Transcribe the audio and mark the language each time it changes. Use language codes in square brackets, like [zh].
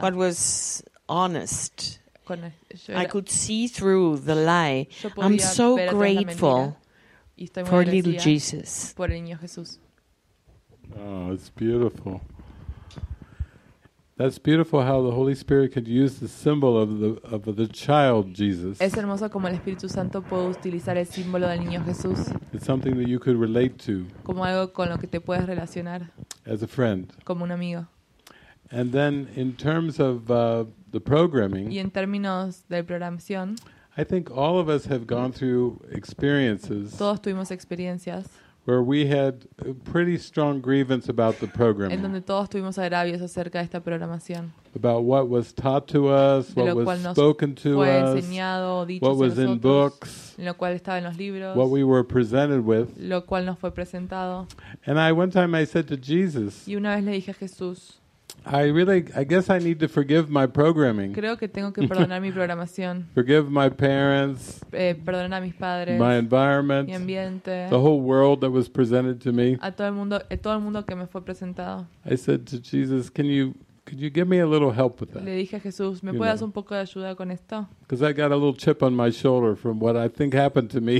[en] But was honest. I could see through the lie. I'm so grateful for little Jesus. [es] Por el niño Jesús. [en] Oh, it's beautiful. That's beautiful how the Holy Spirit could use the symbol of the child Jesus. [es] Es hermoso como el Espíritu Santo puede utilizar el símbolo del niño Jesús. [en] It's something that you could relate to. [es] Como algo con lo que te puedes relacionar. [en] As a friend. [es] Como un amigo. [en] And then in terms of the programming. [es] Y en términos de programación. [en] I think all of us have gone through experiences. [es] Todos tuvimos experiencias. [en] Where we had a pretty strong grievance about the program. [es] En donde todos tuvimos agravios acerca de esta programación. [en] About what was taught to us, what was spoken to us, [es] enseñado, dicho [en] what was [es] nosotros, [en] in books, [es] lo cual estaba en los libros, [en] what we were presented with. [es] Lo cual nos fue presentado. [en] And I one time I said to Jesus, [es] y una vez le dije a Jesús, [en] I guess I need to forgive my programming. [es] Creo que tengo que perdonar mi programación. [en] Forgive my parents. [es] Perdonar a mis padres. [en] My environment. [es] Mi ambiente. [en] The whole world that was presented to me. [es] A todo el mundo que me fue presentado. [en] I said to Jesus, could you give me a little help with that? [es] Le dije a Jesús, ¿me puedes un poco de ayuda con esto? [en] Because I got a little chip on my shoulder from what I think happened to me.